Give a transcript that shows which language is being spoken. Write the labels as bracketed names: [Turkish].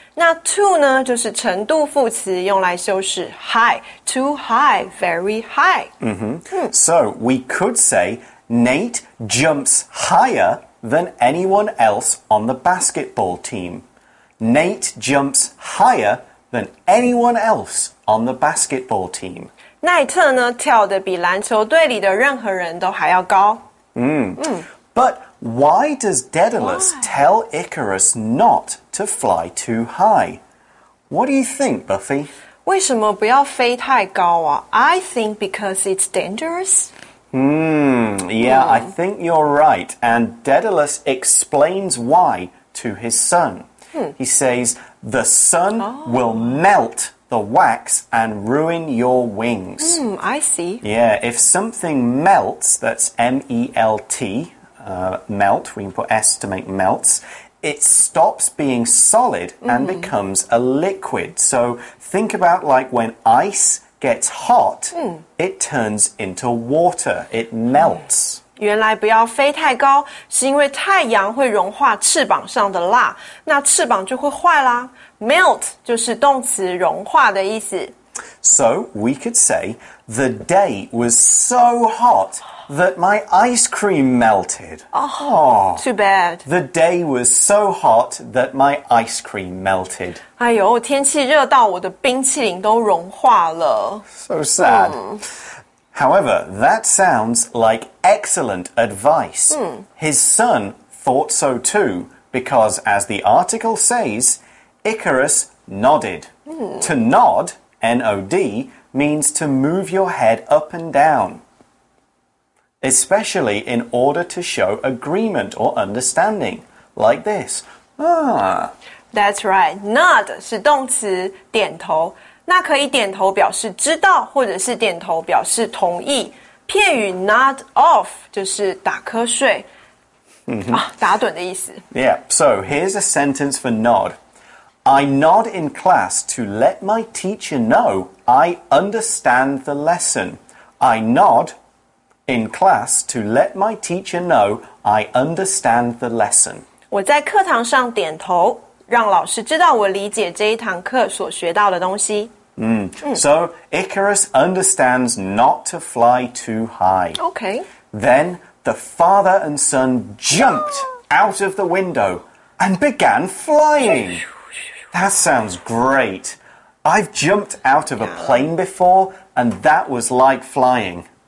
[Chinese] 那 too 呢，就是程度副词，用来修饰 high, too high, very high. [English] So we could say Nate jumps higher than anyone else on the basketball team. Nate jumps higher than anyone else on the basketball team. [Chinese] 奈特呢跳得比篮球队里的任何人都还要高。 [English] But why does Daedalus tell Icarus not to fly too high? What do you think, Buffy? [Chinese] 为什么不要飞太高啊? [English] I think because it's dangerous. I think you're right. And Daedalus explains why to his son. He says, the sun will melt. The wax and ruin your wings. I see. Yeah, if something melts, that's M-E-L-T, melt, we can put S to make melts, it stops being solid and becomes a liquid. So think about like when ice gets hot, it turns into water, it melts. [Chinese] 原来不要飞太高是因为太阳会融化翅膀上的蜡那翅膀就会坏啦。 Melt 就是动词融化的意思。 [English] So we could say, the day was so hot that my ice cream melted. Too bad. The day was so hot that my ice cream melted. [Chinese] 哎呦天气热到我的冰淇淋都融化了。 [English] So sad. However, that sounds like excellent advice. His son thought so too, because as the article says, Icarus nodded. To nod, N-O-D, means to move your head up and down, especially in order to show agreement or understanding, like this. That's right. Nod [Chinese] 是动词点头。那可以点头表示知道或者是点头表示同意。片语 nod off 就是打瞌睡、打盹的意思。 [English] Yeah, so here's a sentence for nod. I nod in class to let my teacher know I understand the lesson. I nod in class to let my teacher know I understand the lesson. [Chinese] 我在课堂上点头让老师知道我理解这一堂课所学到的东西。 [English] So Icarus understands not to fly too high. Okay. Then the father and son jumped out of the window and began flying. That sounds great. I've jumped out of a plane before and that was like flying.